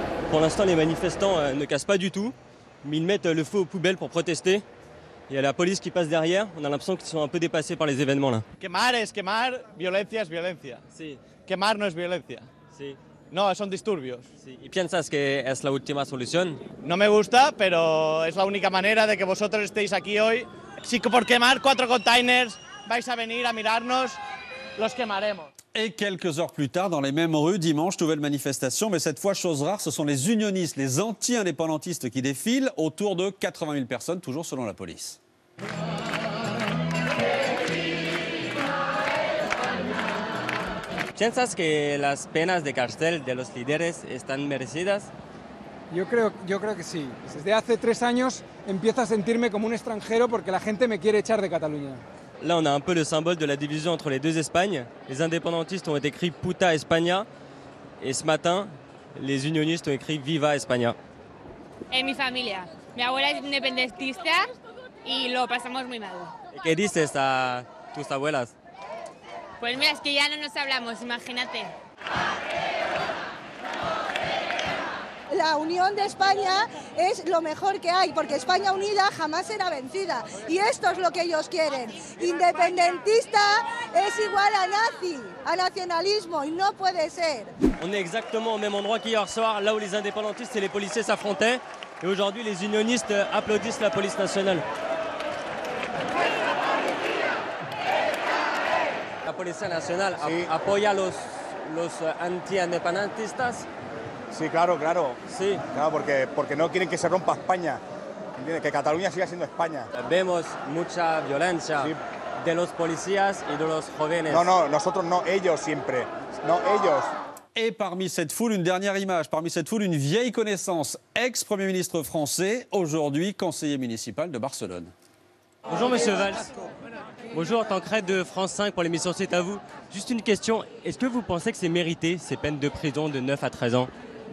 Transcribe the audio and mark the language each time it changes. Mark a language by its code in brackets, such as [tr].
[fr] Pour l'instant, les manifestants ne cassent pas du tout, mais ils mettent le feu aux poubelles pour protester. Il y a la police qui passe derrière, on a l'impression qu'ils sont un peu dépassés par les événements là. [es] Quemar es quemar, violencia es violencia. Sí. Quemar no es violencia. Sí. No, son disturbios. Sí. ¿Y piensas que es la última solución? No me gusta, pero es la única manera de que vosotros estéis aquí hoy. Si por quemar 4 containers vais a venir a mirarnos, los quemaremos. [fr] Et quelques heures plus tard, dans les mêmes rues, dimanche, nouvelle manifestation. Mais cette fois, chose rare, ce sont les unionistes, les anti-indépendantistes qui défilent, autour de 80 000 personnes, toujours selon la police. [es] ¿Piensas que las penas de cárcel de los líderes están merecidas? Yo creo que sí. Desde hace 3 años empiezo a sentirme como un extranjero porque la gente me quiere echar de Cataluña. [fr] Là, on a un peu le symbole de la division entre les deux Espagnes. Les indépendantistes ont écrit « [es] Puta España [fr] » et ce matin, les unionistes ont écrit « [es] Viva España ». Et mi familia. Mi abuela es independentista y lo pasamos muy mal. Et que dices a tus abuelas? Pues mira, es que ya no nos hablamos, imagínate. La unión de España es lo mejor que hay, porque España unida jamás será vencida. Y esto es lo que ellos quieren. Independentista, es igual a nazi, a nacionalismo, y no puede ser. [fr] On est exactement au même endroit qu'hier soir, là où les indépendantistes et les policiers s'affrontaient. Et aujourd'hui, les unionistes applaudissent la police nationale. La police nationale appuie les anti-indépendantistes. [es] Sí, claro, claro. Sí. Claro, porque no quieren que se rompa España. ¿Entiendes? Que Cataluña siga siendo España. Vemos mucha violencia sí. de los policías y de los jóvenes. No, no, nosotros no, ellos siempre. No, ellos. [fr] Et parmi cette foule, une dernière image. Parmi cette foule, une vieille connaissance. Ex-premier ministre français, aujourd'hui conseiller municipal de Barcelone. Bonjour, monsieur Valls. Bonjour, Tancrède de France 5 pour l'émission C'est à vous. Juste une question, est-ce que vous pensez que c'est mérité ces peines de prison de 9 à 13 ans ?